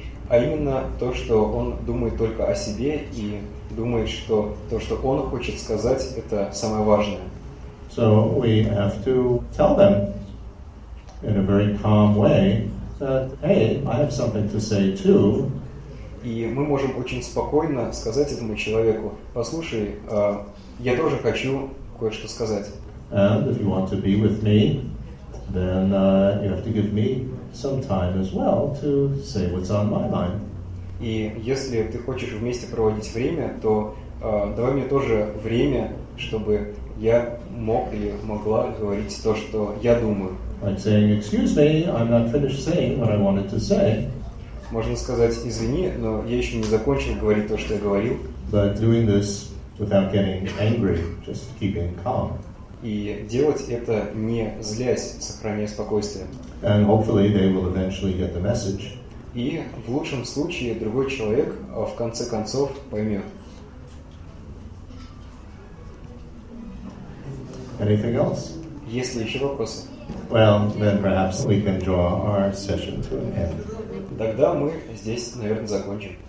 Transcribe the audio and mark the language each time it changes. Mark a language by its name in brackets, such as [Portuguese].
[Russian] а именно то, что он думает только о себе и думает, что то, что он хочет сказать, это самое важное. [English] So we have to tell them in a very calm way that, hey, I have something to say too. [Russian] И мы можем очень спокойно сказать этому человеку: послушай, я тоже хочу кое-что сказать. [English] And if you want to be with me, then you have to give me some time as well to say what's on my mind. [Russian] И если ты хочешь вместе проводить время, то давай мне тоже время, чтобы я мог или могла говорить то, что я думаю. [English] Like saying, excuse me, I'm not finished saying what I wanted to say. [Russian] Можно сказать, извини, но я еще не закончил говорить то, что я говорил. [English] But doing this without getting angry, just keeping calm. [Russian] И делать это не злясь, сохраняя спокойствие. [English] And hopefully they will eventually get the message. [Russian] И в лучшем случае другой человек в конце концов поймет. [English] Anything else? [Russian] Есть ли еще вопросы? [English] Well, then perhaps we can draw our session to an end. [Russian] Тогда мы здесь, наверное, закончим.